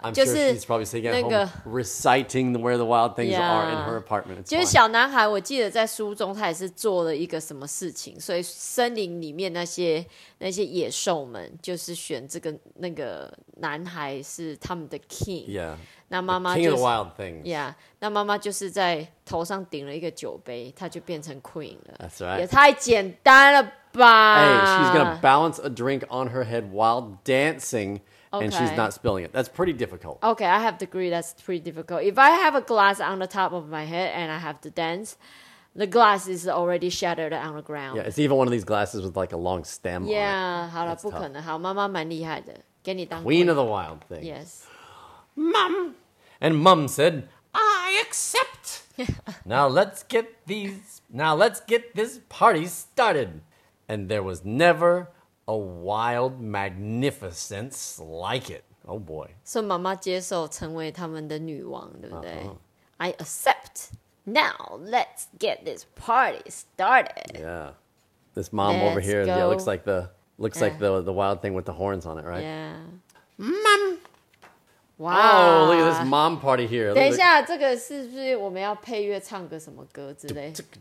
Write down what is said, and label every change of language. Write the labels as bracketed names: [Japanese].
[English] I'm sure she's probably sitting at home reciting where the wild things are in her apartment. [Chinese] 就是小男孩，我记得在书中他也是做了一个什么事情，所以森林里面那些野兽们就是选这个那个男孩是他们的 king. [English] Yeah. [Chinese] 那妈妈就是 [English] King of the Wild Things. [Chinese] Yeah, 那妈妈就是在头上顶了一个酒杯，她就变成 queen 了。 [English] That's right. [Chinese] 也太简单了吧！ [English] Hey, she's gonna balance a drink on her head while dancing, and she's not spilling it. That's pretty difficult. Okay, I have to agree. That's pretty difficult. If I have a glass on the top of my head and I have to dance, the glass is already shattered on the ground. Yeah, it's even one of these glasses with like a long stem. [Chinese] Yeah, 好了，不可能。好，妈妈蛮厉害的，给你当 [English] queen of the wild things. Yes. Mum! And Mum said, I accept! Now let's get this party started. And there was never a wild magnificence like it. Oh boy. [Chinese] So 妈妈接受成为他们的女王，对不对？ [English] I accept. Now let's get this party started. Yeah. This mom let's over here, yeah, looks like the wild thing with the horns on it, right? Yeah. Mom. Wow. Oh, look at this mom party here. [Chinese] 等一下，这个是不是我们要配乐唱个什么歌之类？